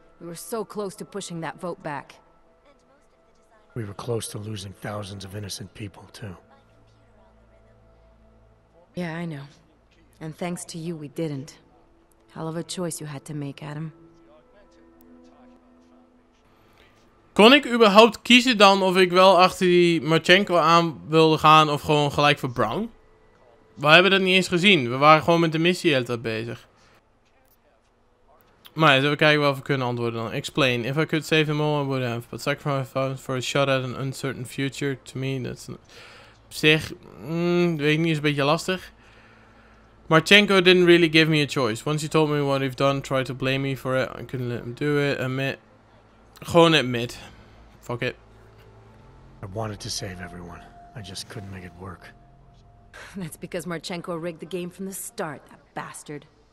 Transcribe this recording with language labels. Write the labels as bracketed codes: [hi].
[en] We were so close to pushing that vote back. We were close to losing thousands of innocent people, too. Yeah, I know. And thanks to you, we didn't. Hell of a choice you had to make, Adam. [nl] Kon ik überhaupt kiezen dan of ik wel achter die Marchenko aan wilde gaan of gewoon gelijk voor Brown? We hebben dat niet eens gezien. We waren gewoon met de missie de hele tijd bezig. Maar ja, zullen we kijken wat we kunnen antwoorden dan. [en] Explain. If I could save them all, I would have. But sacrifice for a shot at an uncertain future, to me, that's... [nl] Op zich, weet ik niet, is een beetje lastig. [en] Marchenko didn't really give me a choice. Once you told me what you've done, try to blame me for it. I couldn't let him do it. Admit. Gewoon admit. Fuck it. I wanted to save everyone. I just couldn't make it work. That's because Marchenko rigged the game from the start, that bastard.